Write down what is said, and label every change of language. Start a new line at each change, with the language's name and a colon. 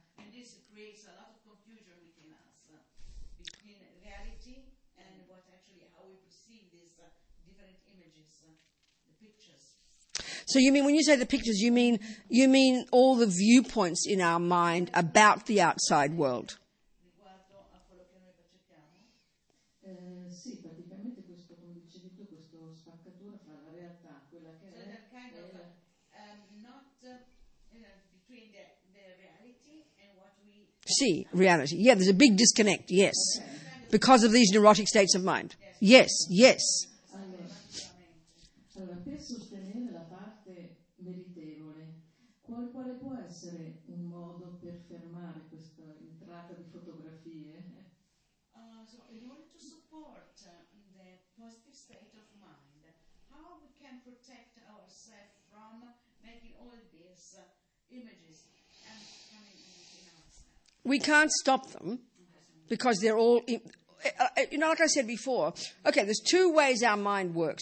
English: And this creates a lot of confusion between us, between reality and what actually how we perceive these different images, the pictures. So you mean when you say the pictures, you mean all the viewpoints in our mind about the outside world?
Italian: Riguardo a quello che noi percepiamo. Sì, praticamente questo, come dicevi tu, questo spaccatura fra la realtà, quella che
English: so
Italian: è.
English: So that kind of not. Between the reality and what we see, reality. Yeah, there's a big disconnect, yes. Okay. Because of these neurotic states of mind. Yes, yes.
Italian: Allora, per sostenere la parte meritevole, quale può essere un modo per fermare questa entrata di fotografie?
English: So in order to support the positive state of mind, how we can protect ourselves from making all this images coming in. We can't stop them because they're all, like I said before, okay, there's two ways our mind works.